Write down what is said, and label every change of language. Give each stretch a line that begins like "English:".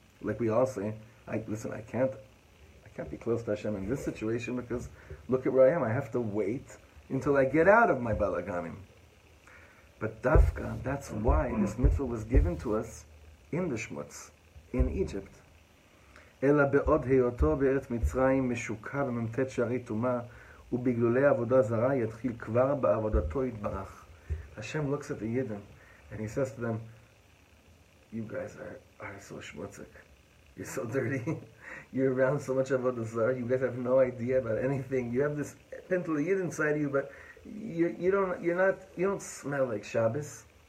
English: Like we all say, I can't be close to Hashem in this situation because look at where I am. I have to wait until I get out of my balaganim. But dafka, that's why this mitzvah was given to us in the schmutz, in Egypt.
Hebrew: אלא בעוד היותו בארץ מצרים משוקע וממתת שערי תומה ובגלולי עבודה זרה יתחיל כבר בעבודתו יתברך.
English: Hashem looks at the Yidden and he says to them, you guys are so schmutzik. You're so dirty. You're around so much עבודה זרה. You guys have no idea about anything. You have this pentel Yid inside you, but you don't smell like Shabbos.